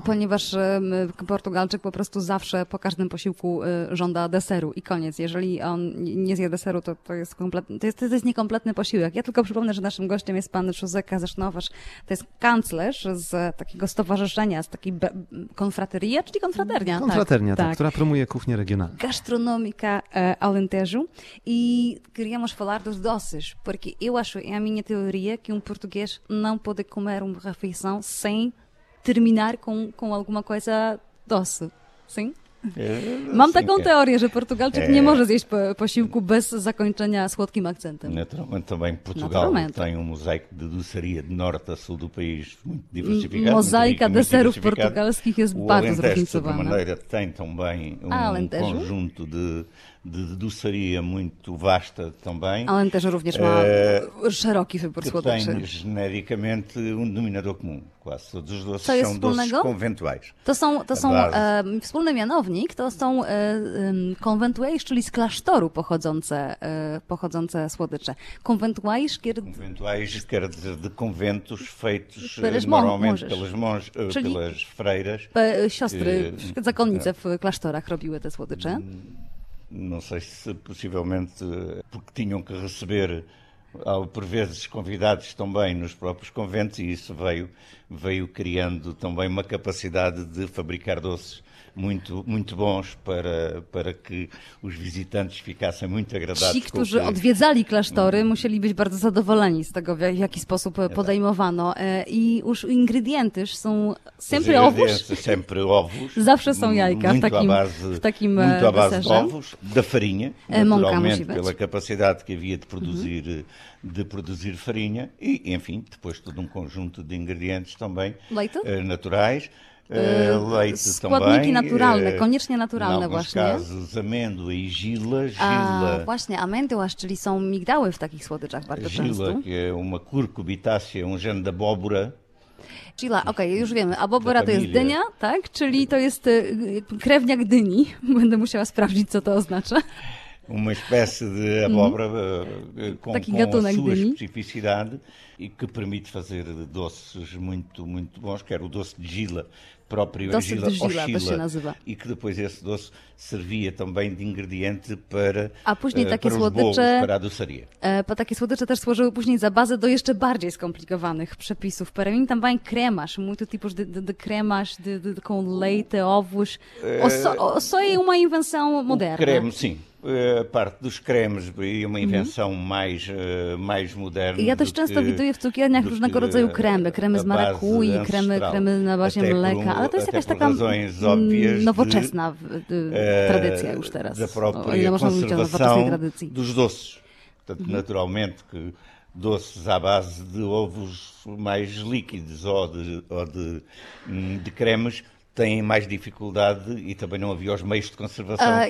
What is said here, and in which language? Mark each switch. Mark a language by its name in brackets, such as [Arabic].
[Polish] Ponieważ Portugalczyk po prostu zawsze po każdym posiłku żąda deseru i koniec. Jeżeli on nie zje deseru, to jest niekompletny posiłek. Ja tylko przypomnę, że naszym gościem jest pan José Casas Novas. To jest kanclerz z takiego stowarzyszenia, z takiej konfrateria, czyli konfraternia. Konfraternia, tak, która promuje kuchnię regionalną. Gastronomika Alentejo. [Portuguese] I queríamos falar dos doces, porque eu acho, é a minha teoria, que português não pode comer uma refeição sem terminar com alguma coisa doce. Sim? [Polish] Mam taką teorię, że Portugalczyk nie może zjeść posiłku bez zakończenia słodkim akcentem. [Portuguese] Naturalmente também Portugal tem um mosaico de doçaria de norte a sul do país muito diversificado. Mosaica de [Polish] deserów portugalskich jest bardzo zróżnicowana. [Portuguese] De maneira tem também conjunto de doçaria muito vasta também. [Polish] Alentejo również ma szeroki wybór słodyczy. [Portuguese] Tem genericamente denominador comum. Quase todos os doces são [Polish] wspólnego? [Portuguese] Doces conventuais. [Polish] To są wspólny mianownik, to są conventuais, czyli z klasztoru pochodzące słodycze. [Portuguese] Conventuais quer dizer de conventos feitos normalmente pelas monges, pelas freiras. [Polish] Siostry, zakonnice w klasztorach robiły te słodycze. [Portuguese] Não sei se possivelmente porque tinham que receber por vezes convidados também nos próprios conventos e isso veio criando também uma capacidade de fabricar doces muito, muito bons para que os visitantes ficassem muito agradados. [Polish] Ci, którzy odwiedzali klasztory, musieli być bardzo zadowoleni z tego, w jaki sposób podejmowano. I już [Portuguese] ingredientes [Polish] są [Portuguese] sempre ovos. Sempre ovos. [Polish] Zawsze są jajka w takim [Portuguese] muito à base de ovos, da farinha, naturalmente, pela capacidade que havia de produzir farinha e, enfim, depois todo um conjunto de ingredientes também naturais. Leite [Polish] składniki Naturalne, koniecznie naturalne właśnie. [Portuguese] W alguns casos, amêndoa i gila. [Polish] Właśnie, amêndoas, czyli są migdały w takich słodyczach bardzo często. [Portuguese] Gila, que é uma curcubitácea, um género de abóbora. [Polish] Gila, okej, już wiemy. Abóbora to jest dynia, tak? Czyli to jest krewniak dyni. Będę musiała sprawdzić, co to oznacza. [Portuguese] Uma espécie de abóbora com a sua especificidade e que permite fazer doces muito, muito bons, que era o doce de gila, próprio doce gila, de gila, oscila, e que depois esse doce servia também de ingrediente para, [Polish] a później takie [Portuguese] para [Polish] słodycze, [Portuguese] os bolos, para a doçaria. Para [Polish] takie słodycze też służyły później za bazę do jeszcze bardziej skomplikowanych przepisów. [Portuguese] Para mim também cremas, muito tipos de cremas com leite, ovos. Só é uma invenção moderna. Creme, sim. Parte dos cremes e uma invenção mais moderna. [Polish] Ja też często widuję w cukierniach różnego rodzaju kremy. Kremy z marakui, kremy na bazie mleka. Ale to jest jakaś taka nowoczesna tradycja już teraz. [Portuguese] Da própria conservação dos doces. Portanto, naturalmente, que doces à base de ovos mais líquidos ou de cremes tem mais dificuldade e também não havia os meios de conservação.